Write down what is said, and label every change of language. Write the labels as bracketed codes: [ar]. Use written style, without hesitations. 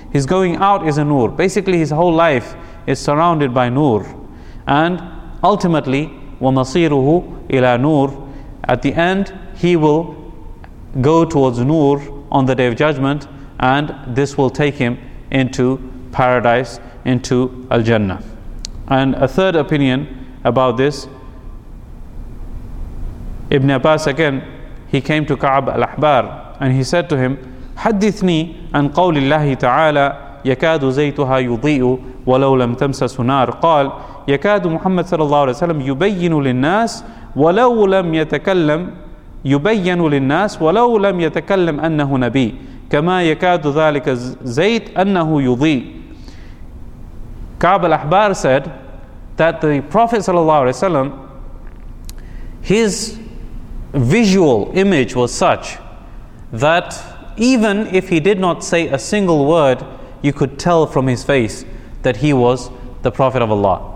[en] His going out is a nur. Basically, his whole life is surrounded by nur. And ultimately, [ar] وَمَصِيرُهُ إِلَى نُورٍ, [en] at the end, he will go towards nur on the Day of Judgment, and this will take him into paradise, into Al-Jannah. And a third opinion about this, Ibn Abbas again, he came to Ka'ab al-Ahbar, and he said to him, [ar] حَدِّثْنِي عَنْ قَوْلِ اللَّهِ تَعَالَى يَكَادُ زَيْتُهَا يُضِيءُ وَلَوْ لَمْ تَمْسَسُ نَارٍ قَالْ يَكَادُ مُحَمَّدُ صَلَى اللَّهُ عَلَيْهِ وَسَلَّمُ يُبَيِّنُ لِلنَّاسِ وَلَوْ لَمْ يَتَكَلَّمْ يُبَيِّنُ لِلنَّاسِ وَلَوْ لَمْ يَتَكَلَّمْ أَنَّهُ نَبِيٌّ كَمَا يَكَادُ ذَلِكَ زَيْتُ أَنَّهُ يُضِيءُ. [en] Ka'b al-Ahbar said that the Prophet صلى الله عليه وسلم, his visual image was such that even if he did not say a single word, you could tell from his face that he was the Prophet of Allah.